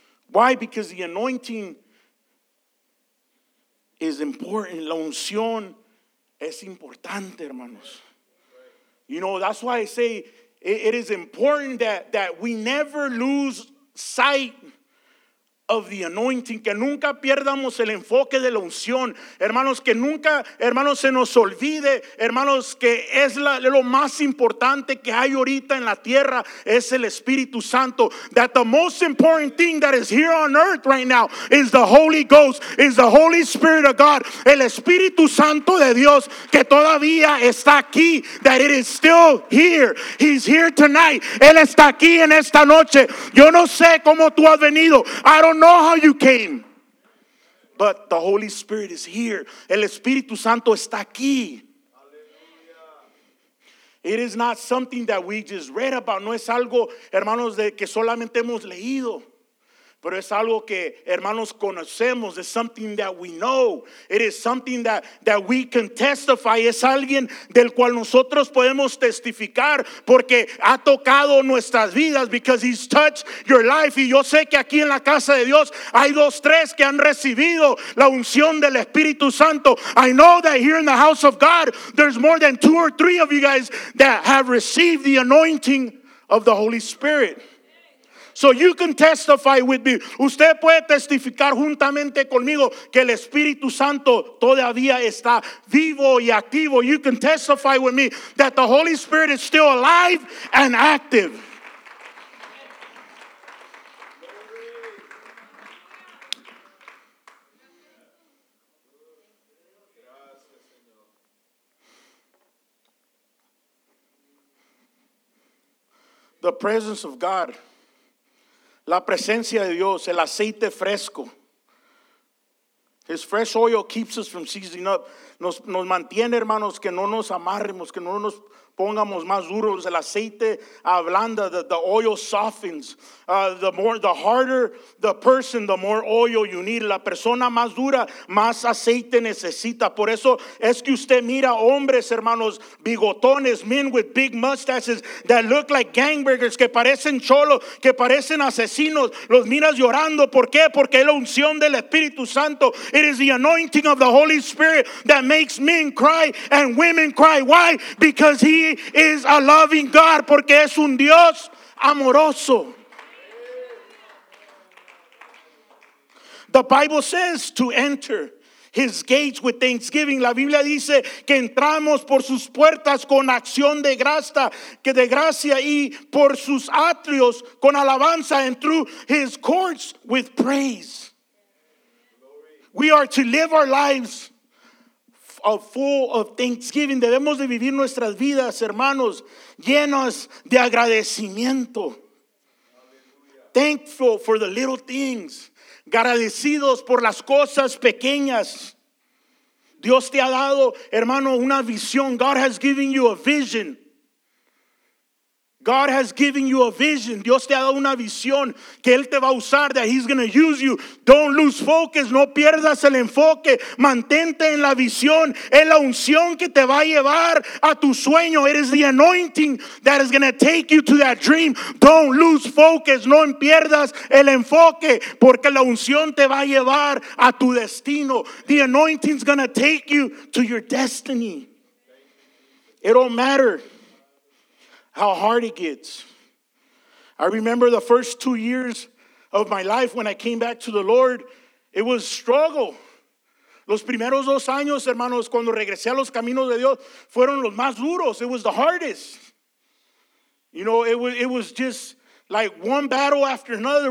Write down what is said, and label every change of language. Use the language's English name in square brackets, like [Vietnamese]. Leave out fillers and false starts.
[English] Why? Because the anointing is important. [Spanish] La unción es importante, hermanos. [English] You know, that's why I say it is important that we never lose sight of the anointing. [Spanish] Que nunca pierdamos el enfoque de la unción. Hermanos, que nunca, hermanos, se nos olvide. Hermanos, que es lo más importante que hay ahorita en la tierra. Es el Espíritu Santo. [English] That the most important thing that is here on earth right now is the Holy Ghost, is the Holy Spirit of God. [Spanish] El Espíritu Santo de Dios que todavía está aquí. [English] That it is still here. He's here tonight. [Spanish] Él está aquí en esta noche. Yo no sé cómo tú has venido. [English] I don't know how you came. But the Holy Spirit is here. [Spanish] El Espíritu Santo está aquí. [English] Hallelujah. It is not something that we just read about. [Spanish] No es algo, hermanos, de que solamente hemos leído. Pero es algo que, hermanos, conocemos. [English] It's something that we know. It is something that we can testify. [Spanish] Es alguien del cual nosotros podemos testificar porque ha tocado nuestras vidas. [English] Because he's touched your life. [Spanish] Y yo sé que aquí en la casa de Dios hay dos, tres que han recibido la unción del Espíritu Santo. [English] I know that here in the house of God, there's more than two or three of you guys that have received the anointing of the Holy Spirit. So you can testify with me. [Spanish] Usted puede testificar juntamente conmigo que el Espíritu Santo todavía está vivo y activo. [English] You can testify with me that the Holy Spirit is still alive and active. The presence of God. [Spanish] La presencia de Dios, el aceite fresco. [English] His fresh oil keeps us from seizing up. [Spanish] Nos mantiene, hermanos, que no nos amarremos, que no nos pongamos más duros. El aceite ablanda, [English] the oil softens. The harder the person, the more oil you need. [Spanish] La persona más dura, más aceite necesita. Por eso es que usted mira hombres, hermanos, bigotones, [English] men with big mustaches that look like gangbangers, [Spanish] que parecen cholos, que parecen asesinos. Los miras llorando. ¿Por qué? Porque es la unción del Espíritu Santo. [English] It is the anointing of the Holy Spirit that makes men cry and women cry. Why? Because he is a loving God. [Spanish] Porque es un Dios amoroso. [English] The Bible says to enter his gates with thanksgiving. [Spanish] La Biblia dice que entramos por sus puertas con acción de gracia, que de gracia, y por sus atrios con alabanza, [English] and through his courts with praise. We are to live our lives full of thanksgiving. [Spanish] Debemos de vivir nuestras vidas, hermanos, llenas de agradecimiento. [English] Hallelujah. Thankful for the little things. [Spanish] Agradecidos por las cosas pequeñas. Dios te ha dado, hermano, una visión. [English] God has given you a vision. God has given you a vision. [Spanish] Dios te ha dado una visión que Él te va a usar, [English] that He's going to use you. Don't lose focus. [Spanish] No pierdas el enfoque. Mantente en la visión. Es la unción que te va a llevar a tu sueño. [English] It is the anointing that is going to take you to that dream. Don't lose focus. [Spanish] No pierdas el enfoque, porque la unción te va a llevar a tu destino. [English] The anointing is going to take you to your destiny. It don't matter how hard it gets. I remember the first 2 years of my life when I came back to the Lord. It was struggle. Los primeros dos años, hermanos, cuando regresé a los caminos de Dios, fueron los más duros. It was the hardest. You know, it was just like one battle after another.